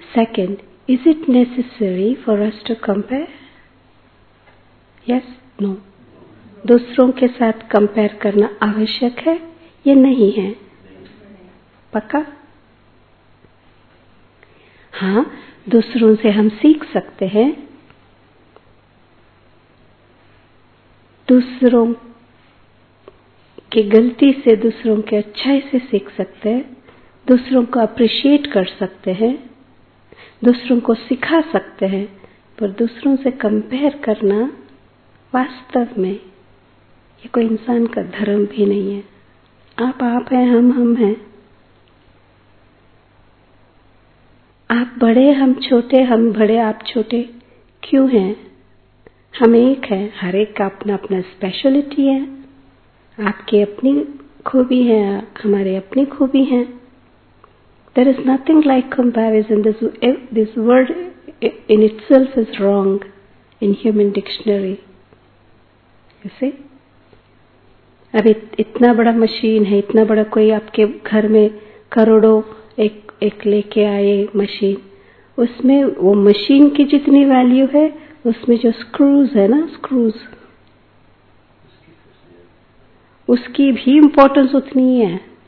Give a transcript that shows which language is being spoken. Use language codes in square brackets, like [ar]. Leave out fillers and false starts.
[en] Second, is it necessary for us to compare? Yes? No? [hi] दूसरों के साथ compare करना आवश्यक है या नहीं है? पक्का? हाँ, दूसरों से हम सीख सकते हैं, दूसरों की गलती से, दूसरों के अच्छाई से सीख सकते हैं, दूसरों को अप्रिशिएट कर सकते हैं, दूसरों को सिखा सकते हैं, पर दूसरों से कंपेयर करना वास्तव में ये कोई इंसान का धर्म भी नहीं है. आप हैं, हम हैं, आप बड़े, हम छोटे, हम बड़े, आप छोटे, क्यों हैं? हम एक हैं, हर एक का अपना अपना स्पेशलिटी है, आपकी अपनी खूबी है, हमारे अपनी खूबी है. [en] There is nothing like comparison. This word in itself is wrong in human dictionary. You see? [hi] अभी इतना बड़ा मशीन है, इतना बड़ा कोई आपके घर में करोड़ों एक लेके आए मशीन, उसमें वो मशीन की जितनी वैल्यू है, उसमें जो स्क्रूज है ना, स्क्रूज, उसकी भी इम्पोर्टेंस उतनी ही है.